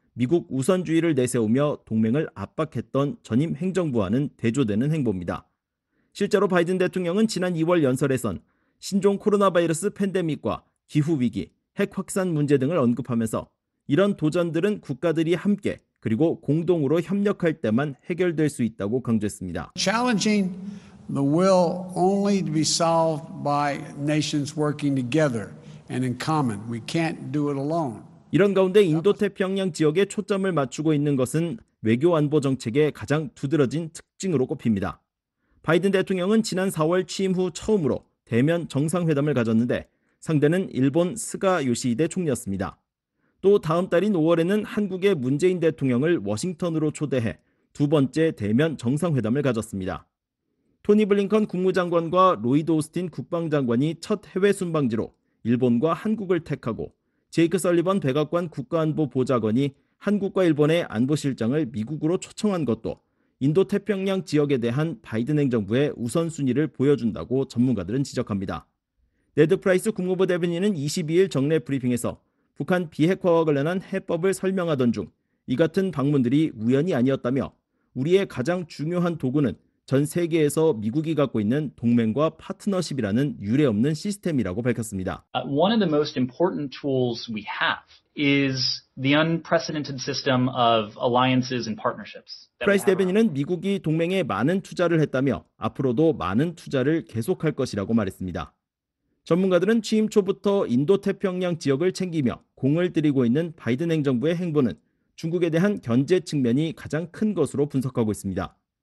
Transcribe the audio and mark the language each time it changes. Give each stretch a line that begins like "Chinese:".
Korean: 미국 우선주의를 내세우며 동맹을 압박했던 전임 행정부와는 대조되는 행보입니다. 실제로 바이든 대통령은 지난 2월 연설에선 신종 코로나 바이러스 팬데믹과 기후위기, 핵 확산 문제 등을 언급하면서 이런 도전들은 국가들이 함께 그리고 공동으로 협력할 때만 해결될 수 있다고 강조했습니다.
English: Challenging the will only to be solved by nations working together and in common. We can't do it alone.
Korean: 이런 가운데 인도태평양 지역에 초점을 맞추고 있는 것은 외교 안보 정책의 가장 두드러진 특징으로 꼽힙니다. 바이든 대통령은 지난 4월 취임 후 처음으로 대면 정상회담을 가졌는데 상대는 일본 스가 요시히데 총리였습니다. 또 다음 달인 5월에는 한국의 문재인 대통령을 워싱턴으로 초대해 두 번째 대면 정상회담을 가졌습니다. 토니 블링컨 국무장관과 로이드 오스틴 국방장관이 첫 해외 순방지로 일본과 한국을 택하고 제이크 설리번 백악관 국가안보보좌관이 한국과 일본의 안보실장을 미국으로 초청한 것도 인도태평양 지역에 대한 바이든 행정부의 우선순위를 보여준다고 전문가들은 지적합니다. 네드 프라이스 국무부 대변인은 22일 정례 브리핑에서 북한 비핵화와 관련한 해법을 설명하던 중 이 같은 방문들이 우연이 아니었다며 우리의 가장 중요한 도구는 전 세계에서 미국이 갖고 있는 동맹과 파트너십이라는 유례 없는 시스템이라고 밝혔습니다.
English: One of the most important tools we have is the unprecedented system of alliances and partnerships.
Korean: 프라이스 대변인은 미국이 동맹에 많은 투자를 했다며 앞으로도 많은 투자를 계속할 것이라고 말했습니다. 전문가들은 취임 초부터 인도태평양 지역을 챙기며 공을 들이고 있는 바이든 행정부의 행보는 중국에 대한 견제 측면이 가장 큰 것으로 분석하고 있습니다.